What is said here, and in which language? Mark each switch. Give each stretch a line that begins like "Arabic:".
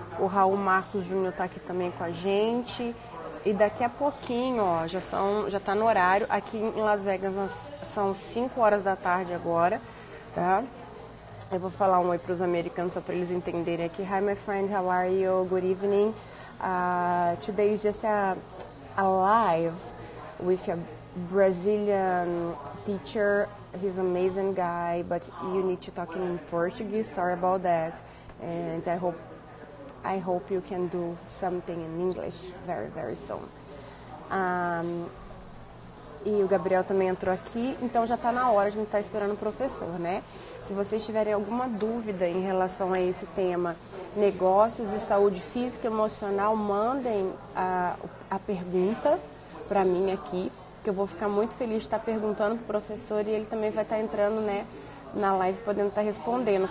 Portuguese: O Raul Marcos Júnior está aqui também com a gente. E daqui a pouquinho, ó, já está no horário. Aqui em Las Vegas são 5 horas da tarde agora, tá? Eu vou falar um oi para os americanos só para eles entenderem aqui.
English: Hi, my friend, how are you? Good evening. Today is just a live with a Brazilian teacher. He's an amazing guy, but you need to talk in Portuguese. Sorry about that. And I hope you can do something in English very, very soon.
Portuguese: E o Gabriel também entrou aqui. Então já está na hora, a gente está esperando o professor, né? Se vocês tiverem alguma dúvida em relação a esse tema, negócios e saúde física e emocional, mandem a pergunta para mim aqui, que eu vou ficar muito feliz de estar perguntando para o professor e ele também vai estar entrando, né, na live, podendo estar respondendo.